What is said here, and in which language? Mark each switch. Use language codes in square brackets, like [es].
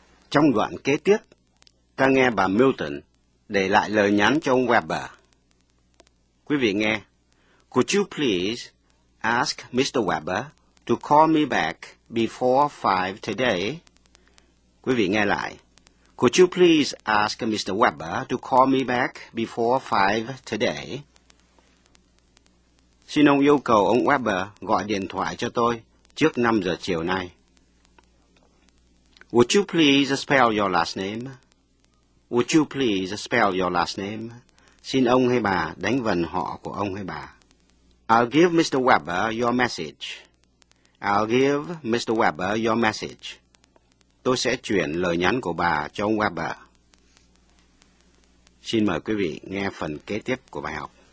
[vi] Trong đoạn kế tiếp, ta nghe bà Milton để lại lời nhắn cho ông Weber. Quý vị nghe, [en] could you please ask Mr. Weber to call me back before 5 today? [vi] Quý vị nghe lại, [en] could you please ask Mr. Weber to call me back before 5 today? [vi] Xin ông yêu cầu ông Weber gọi điện thoại cho tôi trước 5 giờ chiều nay. [en] Would you please spell your last name? Would you please spell your last name? [vi] Xin ông hay bà đánh vần họ của ông hay bà. [en] I'll give Mr. Weber your message. I'll give Mr. Weber your message. [vi] Tôi sẽ chuyển lời nhắn của bà cho ông Weber. Xin mời quý vị nghe phần kế tiếp của bài học.